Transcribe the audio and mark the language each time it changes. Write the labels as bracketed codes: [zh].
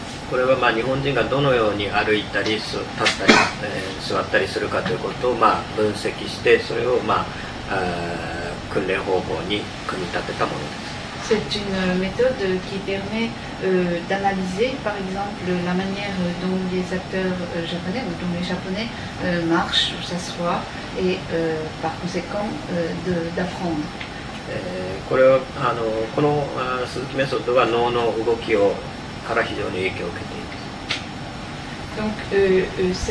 [ja] これはまあ日本人がどのように歩いたり立ったり座ったりするかということをまあ分析してそれをまあ訓練方法に組み立てたものです。 [fr] C'est une méthode qui permet d'analyser, par exemple, la manière dont les acteurs japonais ou dont les japonais marchent ou s'assoient et par conséquent d'apprendre. [ja] これはこの鈴木メソッドは脳の動きをから非常に影響を受けています。